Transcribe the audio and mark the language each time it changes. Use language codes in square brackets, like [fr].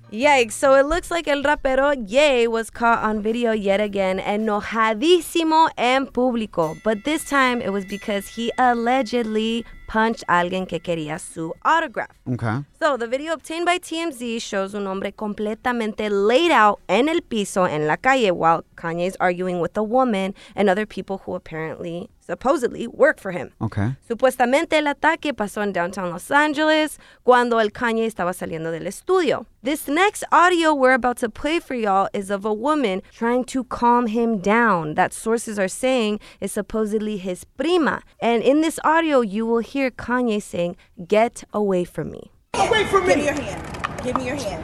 [en] Yikes, so it looks like [es] el rapero [en] Ye was caught on video yet again, [es] enojadísimo en público. [en] But this time, it was because he allegedly [es] punch a alguien que quería su autograph. [en] Okay. So the video obtained by TMZ shows [es] un hombre completamente [en] laid out [es] en el piso en la calle [en] while Kanye is arguing with a woman and other people who apparently, supposedly, work for him. Okay. [es] Supuestamente el ataque pasó en downtown Los Angeles cuando el Kanye estaba saliendo del estudio. [en] This next audio we're about to play for y'all is of a woman trying to calm him down that sources are saying is supposedly his prima. And in this audio, you will hear Kanye saying, "Get away from me." Get away from me! Give me your hand. Give me your hand.